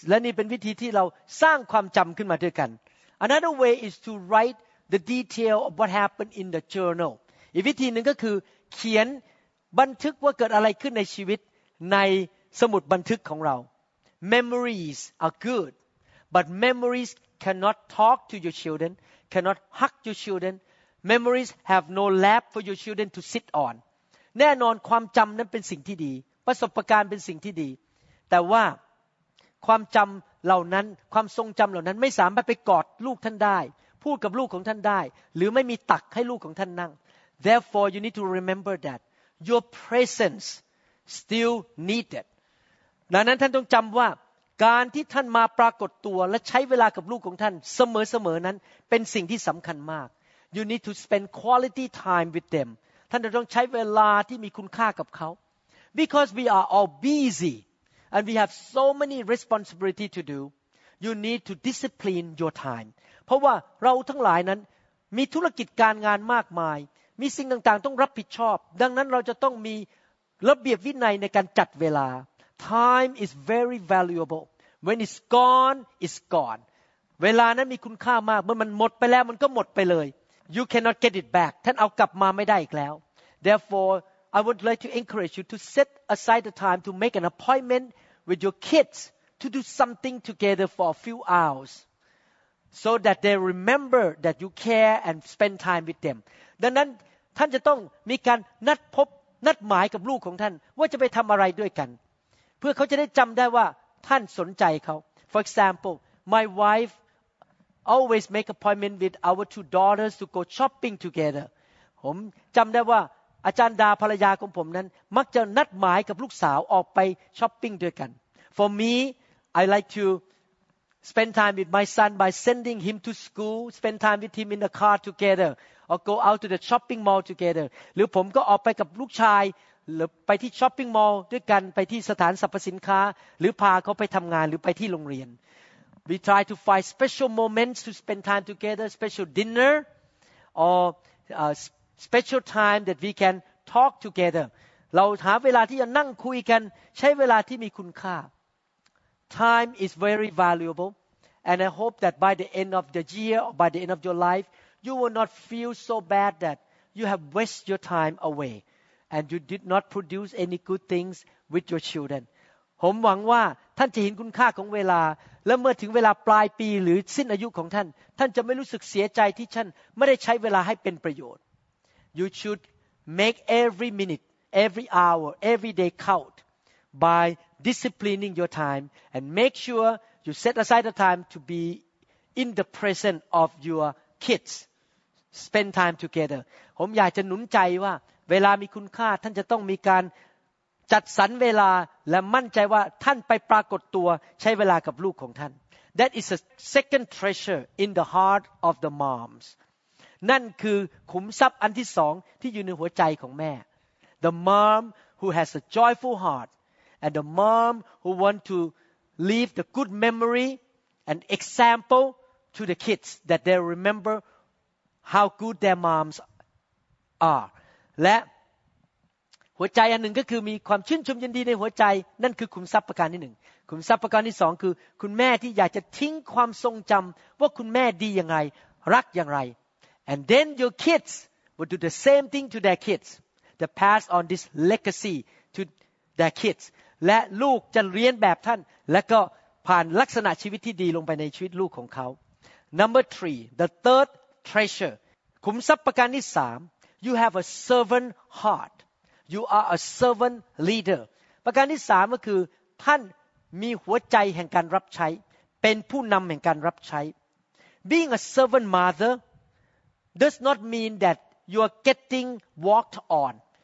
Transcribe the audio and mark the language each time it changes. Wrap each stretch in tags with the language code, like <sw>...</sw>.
<th>และนี่เป็นวิธีที่เราสร้างความจำขึ้นมาด้วยกัน</th> <en>Another way is to write the detail of what happened in the journal.</en> <th>อีกวิธีหนึ่งก็คือเขียนบันทึกว่าเกิดอะไรขึ้นในชีวิตในสมุดบันทึกของเรา</th> <en>Memories are good, but memories cannot talk to your children, cannot hug your children. Memories have no lap for your children to sit on.</en> <th>แน่นอนความจำนั้นเป็นสิ่งที่ดีประสบการณ์เป็นสิ่งที่ดีแต่ว่าความจำเหล่านั้นความทรงจำเหล่านั้นไม่สามารถไปกอดลูกท่านได้พูดกับลูกของท่านได้หรือไม่มีตักให้ลูกของท่านนั่ง</th> <en>Therefore you need to remember that your presence still needed</en> <th>ดังนั้นท่านต้องจำว่า การที่ท่านมาปรากฏตัวและใช้เวลากับลูกของท่านเสมอๆนั้นเป็นสิ่งที่สำคัญมาก</th> <en>You need to spend quality time with them</en> <th>ท่านจะต้องใช้เวลาที่มีคุณค่ากับเขา</th> <en>Because we are all busy and we have so many responsibility to do You need to discipline your time</en> <th>เพราะว่าเราทั้งหลายนั้นมีธุรกิจการงานมากมายมีสิ่งต่างๆต้องรับผิดชอบดังนั้นเราจะต้องมีระเบียบวินัยในการจัดเวลา</th> <en>Time is very valuable. When it's gone, it's gone.</en> <th>เวลานั้นมีคุณค่ามากเมื่อมันหมดไปแล้วมันก็หมดไปเลย</th> <en>You cannot get it back.</en> <th>ท่านเอากลับมาไม่ได้อีกแล้ว</th> <en>Therefore, I would like to encourage you to set aside the time to make an appointment with your kids to do something together for a few hours so that they remember that you care and spend time with them.</en> <th>ดังนั้นท่านจะต้องมีการนัดพบนัดหมายกับลูกของท่านว่าจะไปทำอะไรด้วยกันเพื่อเขาจะได้จำได้ว่าท่านสนใจเขา</th> <en>For example, my wife always make appointment with our two daughters to go shopping together.</en> <th>ผมจำได้ว่าอาจารย์ดาภรรยาของผมนั้นมักจะนัดหมายกับลูกสาวออกไปช้อปปิ้งด้วยกัน</th> <en>For me, I like to spend time with my son by sending him to school, spend time with him in the car together. Or go out to the shopping mall together.</en> <th>หรือผมก็ออกไปกับลูกชายหรือไปที่ช้อปปิ้งมอลล์ด้วยกันไปที่สถานสรรพสินค้าหรือพาเขาไปทำงานหรือไปที่โรงเรียน</th> <en>We try to find special moments to spend time together, special dinner, or special time that we can talk together.</en> <th>เราหาเวลาที่จะนั่งคุยกันใช้เวลาที่มีคุณค่า</th> <en>Time is very valuable, and I hope that by the end of the year or by the end of your life. You will not feel so bad that you have wasted your time away and you did not produce any good things with your children.</en> <th>ผมหวังว่าท่านจะเห็นคุณค่าของเวลาและเมื่อถึงเวลาปลายปีหรือสิ้นอายุของท่านท่านจะไม่รู้สึกเสียใจที่ท่านไม่ได้ใช้เวลาให้เป็นประโยชน์</th> <en>You should make every minute, every hour, every day count by disciplining your time and make sure you set aside the time to be in the presence of yourKids spend time together.</en> <th>ผมอยากจะหนุนใจว่าเวลามีคุณค่าท่านจะต้องมีการจัดสรรเวลาและมั่นใจว่าท่านไปปรากฏตัวใช้เวลากับลูกของท่าน</th> <en>That is a second treasure in the heart of the moms.</en> <th>นั่นคือขุมทรัพย์อันที่สองที่อยู่ในหัวใจของแม่</th> <en>The mom who has a joyful heart and the mom who want to leave the good memory and example. To the kids that they remember how good their moms are.</en> <th>และหัวใจอันหนึ่งก็คือมีความชื่นชมยินดีในหัวใจนั่นคือขุมทรัพย์ประการที่หนึ่งขุมทรัพย์ประการที่สองคือคุณแม่ที่อยากจะทิ้งความทรงจำว่าคุณแม่ดีอย่างไรรักอย่างไร</th> <en>And then your kids will do the same thing to their kids. They pass on this legacy to their kids.</en> <th>และลูกจะเรียนแบบท่านและก็ผ่านลักษณะชีวิตที่ดีลงไปในชีวิตลูกของเขา</th> <en>Number three, the third treasure.</en> <th>ขุมทรัพย์ประการที่สาม</th> <en>you have a servant heart. You are a servant leader.</en> <th>ประการที่สามก็คือท่านมีหัวใจแห่งการรับใช้เป็นผู้นำแห่งการรับใช้</th> <en>Being a servant mother does not mean that you are getting walked on.</en>